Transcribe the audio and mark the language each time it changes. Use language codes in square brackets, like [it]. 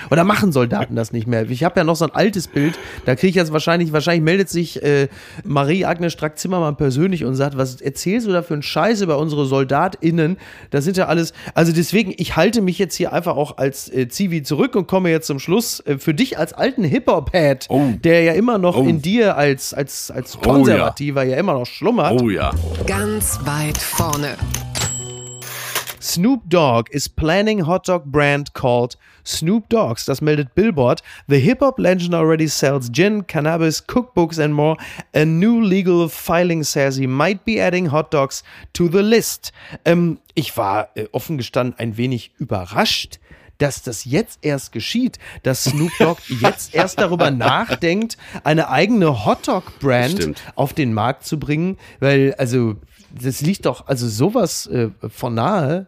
[de] Oder machen Soldaten das nicht mehr? Ich habe ja noch so ein altes Bild. Da kriege ich jetzt wahrscheinlich meldet sich Marie-Agnes Strack-Zimmermann persönlich und sagt, was erzählst du da für einen Scheiß über unsere SoldatInnen? Das sind ja alles, also deswegen, ich halte mich jetzt hier einfach auch als Zivi zurück und komme jetzt zum Schluss für dich als alten Hip-Hop-Head, der ja immer noch in dir als Konservativer ja immer noch schlummert. Oh ja. Ganz weit vorne. [en] Snoop Dogg is planning hotdog brand called Snoop Dogs. [de] Das meldet Billboard. [en] The hip-hop legend already sells gin, cannabis, cookbooks and more. A new legal filing says he might be adding hot dogs to the list. [de] Ich war offen gestanden ein wenig überrascht, dass das jetzt erst geschieht, dass Snoop Dogg jetzt erst darüber nachdenkt, eine eigene Hotdog-Brand auf den Markt zu bringen. Weil, also, das liegt doch also sowas von nahe.